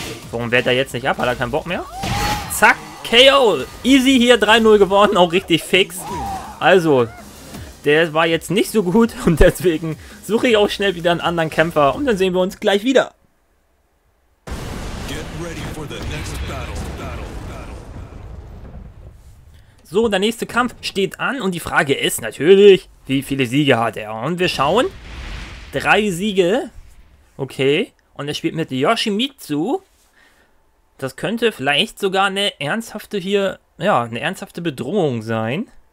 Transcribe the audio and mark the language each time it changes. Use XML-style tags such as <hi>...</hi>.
<de>Warum wehrt er jetzt nicht ab? Hat er keinen Bock mehr? Zack, KO. Easy hier, 3-0 geworden. Auch richtig fix. Also, der war jetzt nicht so gut. Und deswegen suche ich auch schnell wieder einen anderen Kämpfer. Und dann sehen wir uns gleich wieder.</de> <en>Get ready for the next battle.</en> <de>So, der nächste Kampf steht an und die Frage ist natürlich, wie viele Siege hat er? Und wir schauen. 3 Siege. Okay. Und er spielt mit Yoshimitsu. Das könnte vielleicht sogar eine ernsthafte hier, ja, eine ernsthafte Bedrohung sein.</de>